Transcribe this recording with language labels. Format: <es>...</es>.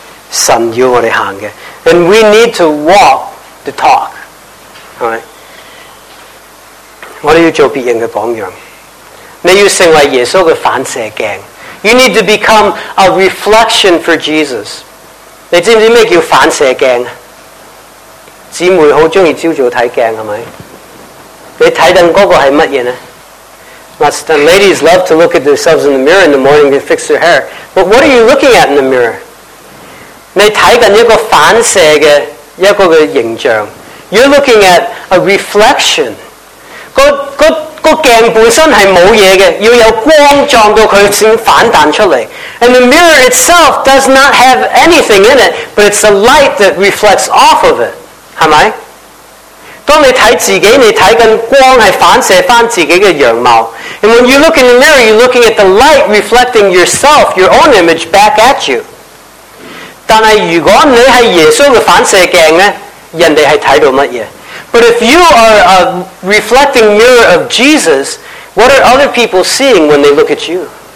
<zh>我们要是真的行得像神要我们行的.</zh> <en>And we need to walk the talk.</en> <zh>我们要做别人的榜样. 你要成为耶稣的反射镜.</zh> <en>You need to become a reflection for Jesus.</en> <zh>你知不知道什么叫反射镜? 姊妹很喜欢早上看镜,是不是? 你看到那个是什么呢?</zh> <en>The ladies love to look at themselves in the mirror in the morning and fix their hair. But what are you looking at in the mirror?</en> <zh>你看到一个反射的一个形象.</zh> <en>You're looking at a reflection.</en> <zh>镜本身是没有东西的, 要有光撞到它才反弹出来.</zh> <en>And the mirror itself does not have anything in it, but it's the light that reflects off of it.</en> <zh>是吗? 当你看自己, 你看光是反射自己的样貌.</zh> <en>And when you look in the mirror, you're looking at the light reflecting yourself, your own image, back at you.</en> <zh>但是如果你是耶稣的反射镜呢, 人家是看到什么?</zh> <en>But if you are a reflecting mirror of Jesus, what are other people seeing when they look at you?</en>